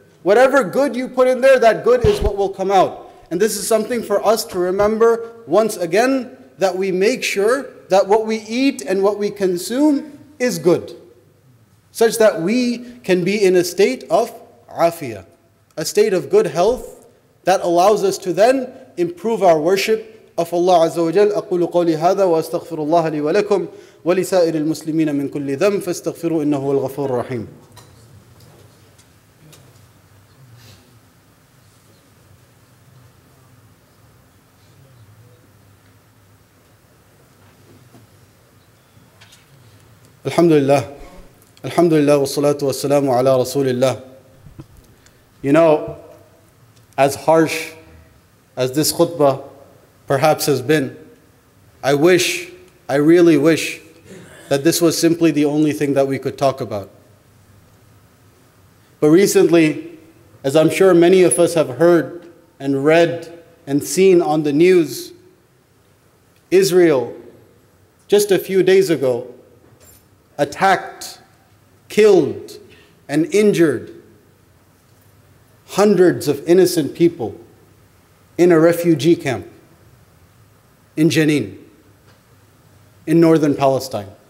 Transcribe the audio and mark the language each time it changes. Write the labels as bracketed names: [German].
[English] Whatever good you put in there, that good is what will come out. And this is something for us to remember once again, that we make sure that what we eat and what we consume is good, such that we can be in a state of afiyah, a state of good health that allows us to then improve our worship of Allah Azza wa Jalla. [Arabic] أقول قولي هذا وأستغفر الله لي ولكم ولسائر المسلمين من كل ذنب فاستغفروا إنه هو الغفور الرحيم. الحمد لله الحمد لله والصلاة والسلام على رسول الله. [English] You know, as harsh as this khutbah perhaps has been, I really wish that this was simply the only thing that we could talk about. But recently, as I'm sure many of us have heard and read and seen on the news, Israel, just a few days ago, attacked, killed, and injured hundreds of innocent people in a refugee camp in Jenin, in northern Palestine.